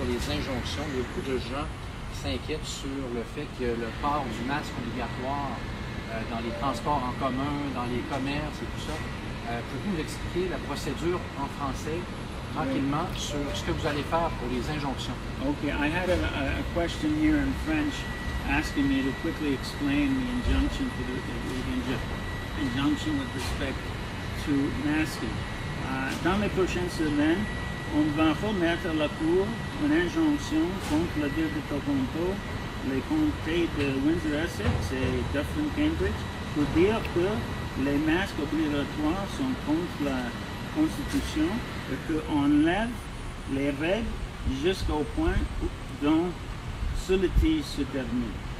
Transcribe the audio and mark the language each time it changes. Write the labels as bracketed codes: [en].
[fr] Injonctions, beaucoup de gens s'inquiètent sur le fait que le port du masque obligatoire dans les transports en commun, dans les commerces et tout ça. Pouvez-vous nous expliquer la procédure en français tranquillement sur ce que vous allez faire pour les injonctions? [en] Okay, I had a question here in French asking me to quickly explain the injunction for the injunction with respect to masking. [fr] Dans les prochaines semaines, on va remettre à la cour une injonction contre la ville de Toronto, les comtés de Windsor-Essex et Dufferin-Cambridge pour dire que les masques obligatoires sont contre la Constitution et qu'on lève les règles jusqu'au point dont ce litige se termine.